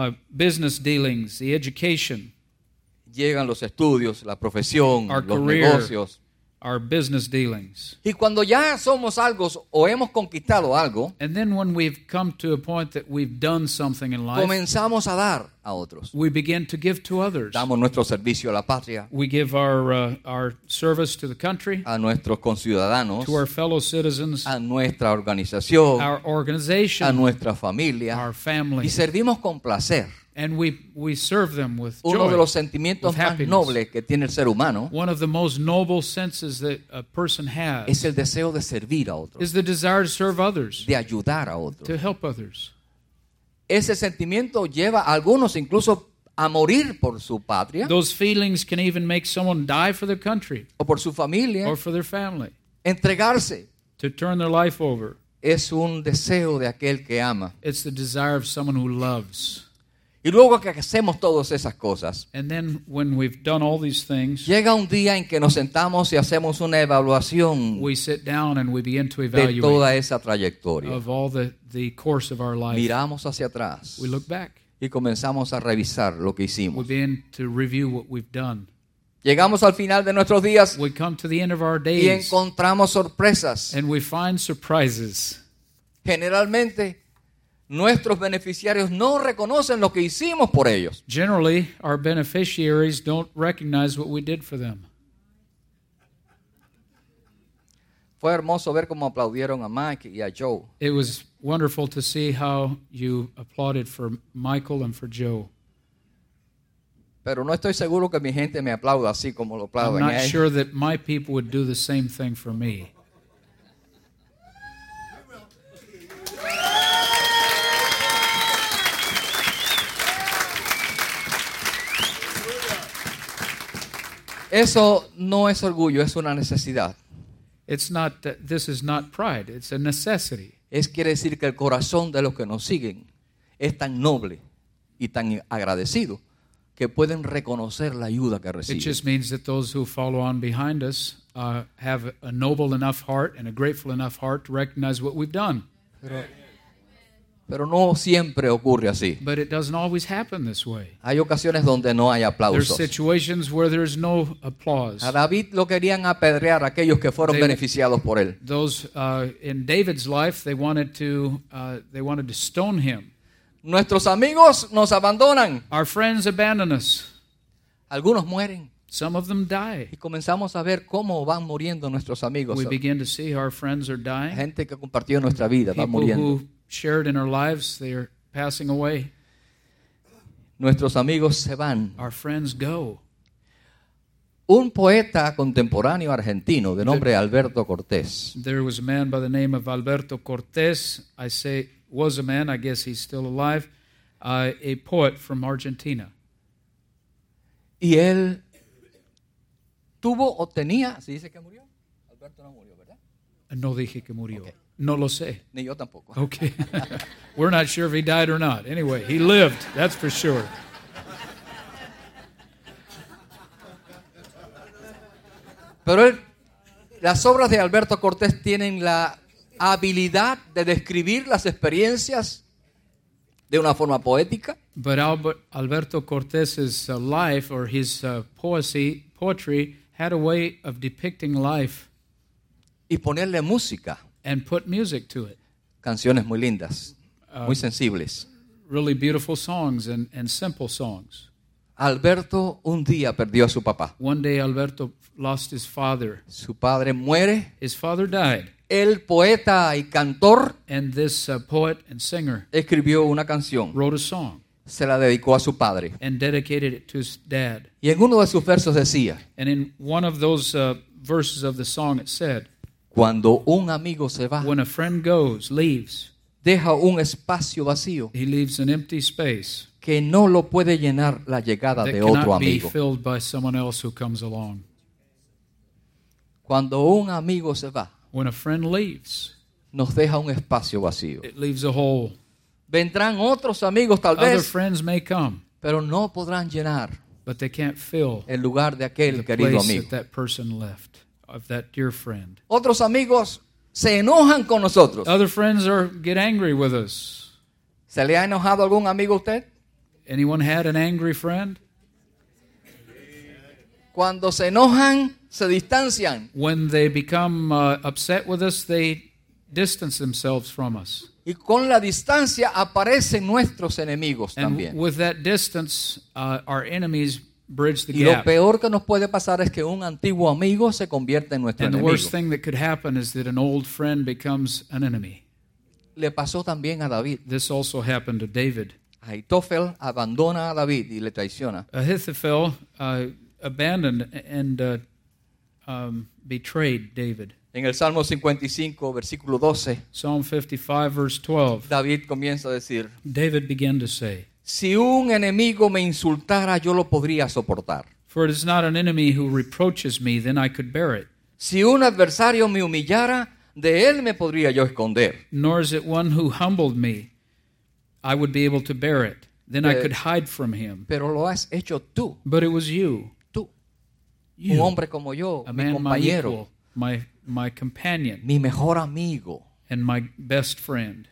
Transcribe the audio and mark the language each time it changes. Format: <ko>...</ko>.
<en>Business dealings, the education.</en> <es>Llegan los estudios, la profesión,</es> <en>our</en> <es>los</es> <en>career,</en> <es>negocios.</es> <en>Our business dealings.</en> <es>Y cuando ya somos algo o hemos conquistado algo,</es> <en>and then when we've come to a point that we've done something in life,</en> <es>comenzamos a dar a otros.</es> <en>We begin to give to others.</en> <es>Damos nuestro servicio a la patria.</es> <en>We give our service to the country,</en> <es>a nuestros conciudadanos,</es> <en>to our fellow citizens,</en> <es>a nuestra organización,</es> <en>our organization,</en> <es>a nuestra familia,</es> <en>our family.</en> <es>Y servimos con placer.</es> <en>And we serve them with joy.</en> <es>Uno de los sentimientos más nobles que tiene el ser humano.</es> <en>One of the most noble senses that a person has.</en> <es>Es el deseo de servir a otros.</es> <en>Is the desire to serve others.</en> <es>De ayudar a otros.</es> <en>To help others.</en> <es>Ese sentimiento lleva a algunos incluso a morir por su patria.</es> <en>Those feelings can even make someone die for their country.</en> <es>O por su familia.</es> <en>Or for their family.</en> <es>Entregarse.</es> <en>To turn their life over.</en> <es>Es un deseo de aquel que ama.</es> <en>It's the desire of someone who loves.</en> <es>Y luego que hacemos todas esas cosas,</es> <en>and then when we've done all these things,</en> <es>llega un día en que nos sentamos y hacemos una evaluación,</es> <en>we sit down and we begin to evaluate,</en> <es>de toda esa trayectoria,</es> <en>of all the course of our life.</en> <es>Miramos hacia atrás,</es> <en>we look back,</en> <es>y comenzamos a revisar lo que hicimos.</es> <en>We begin to review what we've done.</en> <es>Llegamos al final de nuestros días,</es> <en>we come to the end of our days,</en> <es>y encontramos sorpresas,</es> <en>and we find surprises.</en> <es>Generalmente, nuestros beneficiarios no reconocen lo que hicimos por ellos.</es> <en>Generally, our beneficiaries don't recognize what we did for them.</en> <es>Fue hermoso ver cómo aplaudieron a Mike y a Joe.</es> <en>It was wonderful to see how you applauded for Michael and for Joe.</en> <es>Pero no estoy seguro que mi gente me aplauda así como lo aplauden a ellos.</es> <en>I'm not sure that my people would do the same thing for me.</en> <es>Eso no es orgullo, es una necesidad.</es> <en>This is not pride, it's a necessity.</en> <es>Es quiere decir que el corazón de los que nos siguen es tan noble y tan agradecido que pueden reconocer la ayuda que reciben.</es> <en>It just means that those who follow on behind us have a noble enough heart and a grateful enough heart to recognize what we've done.</en> <es>Pero no siempre ocurre así.</es> <en>But it doesn't always happen this way.</en> <es>Hay ocasiones donde no hay aplausos.</es> <en>There's situations where there's no applause.</en> <es>A David lo querían apedrear aquellos que fueron beneficiados por él.</es> <en>Those in David's life, they wanted to stone him.</en> <es>Nuestros amigos nos abandonan.</es> <en>Our friends abandon us.</en> <es>Algunos mueren.</es> <en>Some of them die.</en> <es>Y comenzamos a ver cómo van muriendo nuestros amigos.</es> <en>We begin to see our friends are dying.</en> <es>Gente que compartió nuestra vida va muriendo.</es> <en>Shared in our lives, they are passing away.</en> <es>Nuestros amigos se van.</es> <en>Our friends go.</en> <es>Un poeta contemporáneo argentino de nombre Alberto Cortés.</es> <en>There was a man by the name of Alberto Cortés. I say was a man. I guess he's still alive. A poet from Argentina.</en> <es>Y él tuvo o tenía. ¿Se dice que murió? Alberto no murió, ¿verdad? No dije que murió. Okay. No lo sé. Ni yo tampoco.</es> <en>Okay. We're not sure if he died or not. Anyway, he lived, that's for sure.</en> <es>Pero las obras de Alberto Cortés tienen la habilidad de describir las experiencias de una forma poética.</es> <en>But Alberto Cortés's life or his poetry had a way of depicting life.</en> <es>Y ponerle música.</es> <en>And put music to it.</en> <es>Canciones muy lindas, muy sensibles.</es> <en>Really beautiful songs and simple songs.</en> <es>Alberto un día perdió a su papá.</es> <en>One day Alberto lost his father.</en> <es>Su padre muere.</es> <en>His father died.</en> <es>El poeta y cantor.</es> <en>And this poet and singer.</en> <es>Escribió una canción.</es> <en>Wrote a song.</en> <es>Se la dedicó a su padre.</es> <en>And dedicated it to his dad.</en> <es>Y en uno de sus versos decía.</es> <en>And in one of those verses of the song it said.</en> <es>Cuando un amigo se va,</es> <en>when a friend goes, leaves,</en> <es>deja un espacio vacío,</es> <en>he leaves an empty space,</en> <es>que no lo puede llenar la llegada de otro amigo,</es> <en>that cannot be filled by someone else who comes along.</en> <es>Cuando un amigo se va,</es> <en>when a friend leaves,</en> <es>nos deja un espacio vacío.</es> <en>It leaves a hole.</en> <es>Vendrán otros amigos tal</es> <en>Other</en> <es>vez,</es> <en>friends may come,</en> <es>pero no podrán llenar</es> <en>but they can't fill</en> <es>el lugar de aquel</es> <en>the</en> <es>querido</es> <en>place</en> <es>amigo.</es> <en>That that person left, of that dear friend.</en> <es>Otros amigos se enojan con nosotros.</es> <en>Other friends are, get angry with us.</en> <es>¿Se le ha enojado algún amigo a usted?</es> <en>Anyone had an angry friend?</en> <es>Cuando se enojan, se distancian.</es> <en>When they become upset with us, they distance themselves from us.</en> <es>Y con la distancia aparecen nuestros enemigos</es> <en>and</en> <es>también.</es> <en>With that distance, our enemies bridge the</en> <es>y</es> <en>gap.</en> <es>Lo peor que nos puede pasar es que un antiguo amigo se convierte en nuestro</es> <en>and</en> <es>enemigo.</es> <en>The worst thing that could happen is that an old friend becomes an enemy.</en> <es>Le pasó también a David.</es> <en>This also happened to David.</en> <es>Ahitofel abandona a David y le traiciona.</es> <en>Ahithophel abandoned and betrayed David.</en> <es>En el Salmo 55, versículo 12,</es> <en>Psalm 55, verse 12,</en> <es>David comienza a decir,</es> <en>David began to say,</en> <es>si un enemigo me insultara, yo lo podría soportar.</es> <en>For it is not an enemy who reproaches me, then I could bear it.</en> <es>Si un adversario me humillara, de él me podría yo esconder.</es> <en>Nor is it one who humbled me, I would be able to bear it. Then I could hide from him.</en> <es>Pero lo has hecho tú.</es> <en>But it was you.</en> <es>Tú.</es> <en>You.</en> <es>Un hombre como yo,</es> <en>a man</en> <es>mi compañero.</es> <en>My companion,</en> <es>mi mejor amigo,</es> <en>and my best friend,</en>